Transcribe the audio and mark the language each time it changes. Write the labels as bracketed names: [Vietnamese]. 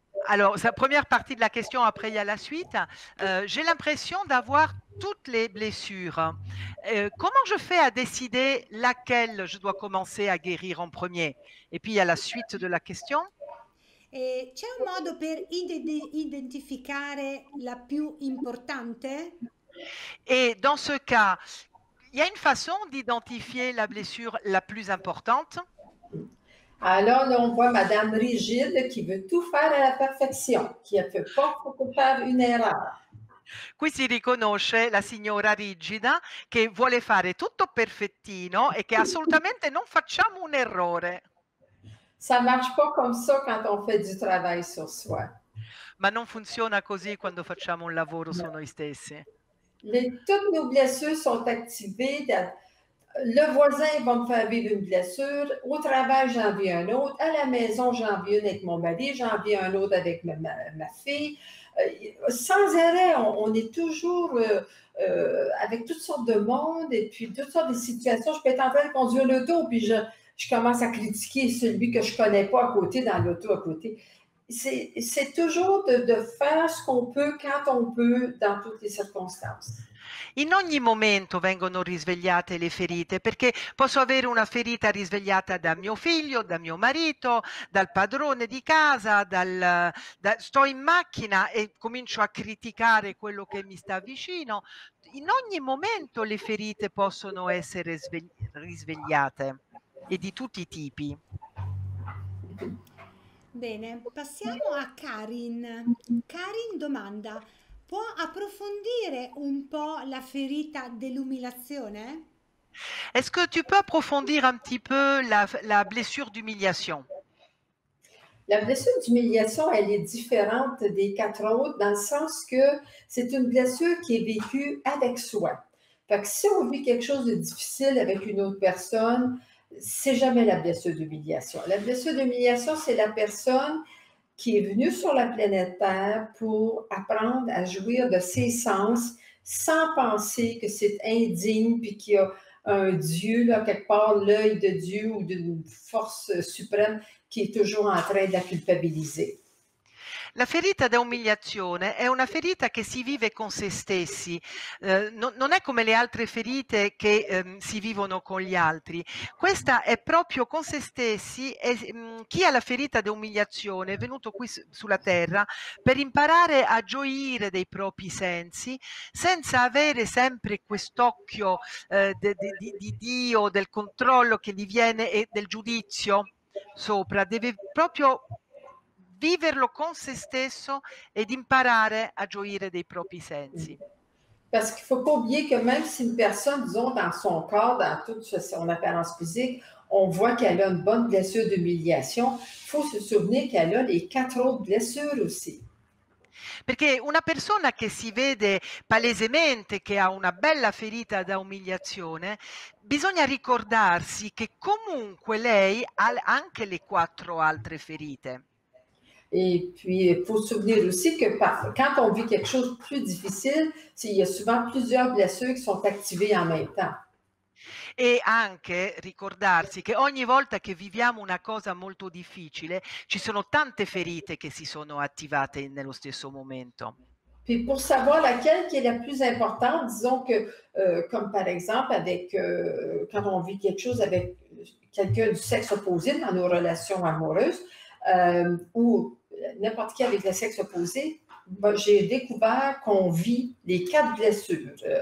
[French] Alors, sa première partie de la question, après il y a la suite. J'ai l'impression d'avoir toutes les blessures. Comment je fais à décider laquelle je dois commencer à guérir en premier? Et puis, il y a la suite de la question. [Italian] C'è un modo per identificare la più importante? [French] Et dans ce cas, Il y a une façon d'identifier la blessure la plus importante. Alors là, on voit Madame Rigide qui veut tout faire à la perfection, qui a fait pas pour faire une erreur. [Italian] Qui si riconosce la signora rigida che vuole fare tutto perfettino e che assolutamente non facciamo un errore. [French] Ça marche pas comme ça quand on fait du travail sur soi. [Italian] Ma non funziona così quando facciamo un lavoro su noi stessi. [French] Toutes nos blessures sont activées. Le voisin va me faire vivre une blessure. Au travail, j'en vis un autre. À la maison, j'en vis une avec mon mari. J'en vis un autre avec ma fille. Sans arrêt, on est toujours avec toutes sortes de monde et puis toutes sortes de situations. Je peux être en train de conduire l'auto puis je commence à critiquer celui que je connais pas à côté dans l'auto à côté. C'est toujours de faire ce qu'on peut quand on peut dans toutes les circonstances. [Italian] In ogni momento vengono risvegliate le ferite, perché posso avere una ferita risvegliata da mio figlio, da mio marito, dal padrone di casa, sto in macchina e comincio a criticare quello che mi sta vicino. In ogni momento le ferite possono essere risvegliate e di tutti i tipi. Bene, passiamo a Karin. Karin domanda: può approfondire un po' la ferita dell'umiliazione? [French] Est-ce que tu peux approfondir un petit peu la blessure d'humiliation? La blessure d'humiliation, elle est différente des quatre autres dans le sens que c'est une blessure qui est vécue avec soi. Fait que si on vit quelque chose de difficile avec une autre personne, c'est jamais la blessure d'humiliation. La blessure d'humiliation, c'est la personne qui est venu sur la planète Terre pour apprendre à jouir de ses sens sans penser que c'est indigne puis qu'il y a un Dieu, là, quelque part, l'œil de Dieu ou d'une force suprême qui est toujours en train de la culpabiliser. [Italian] La ferita d'umiliazione è una ferita che si vive con se stessi, non è come le altre ferite che si vivono con gli altri, questa è proprio con se stessi e chi ha la ferita d'umiliazione è venuto qui sulla terra per imparare a gioire dei propri sensi senza avere sempre quest'occhio di Dio, del controllo che gli viene e del giudizio sopra, deve proprio viverlo con se stesso ed imparare a gioire dei propri sensi. [French] Parce qu'il ne faut pas oublier que même si une personne, disons, dans son corps, dans toute son apparence physique, on voit qu'elle a une bonne blessure d'humiliation, il faut se souvenir qu'elle a les quatre autres blessures aussi. [Italian] Perché una persona che si vede palesemente che ha una bella ferita da umiliazione, bisogna ricordarsi che comunque lei ha anche le quattro altre ferite. [French] Et puis, il faut se souvenir aussi que quand on vit quelque chose de plus difficile, il y a souvent plusieurs blessures qui sont activées en même temps. [Italian] Et anche ricordarsi che ogni volta che viviamo una cosa molto difficile, ci sono tante ferite che si sono attivate nello stesso momento. [French] Puis pour savoir laquelle qui est la plus importante, disons que, comme par exemple, quand on vit quelque chose avec quelqu'un du sexe opposé dans nos relations amoureuses, ou n'importe qui avec le sexe opposé, ben, j'ai découvert qu'on vit les quatre blessures.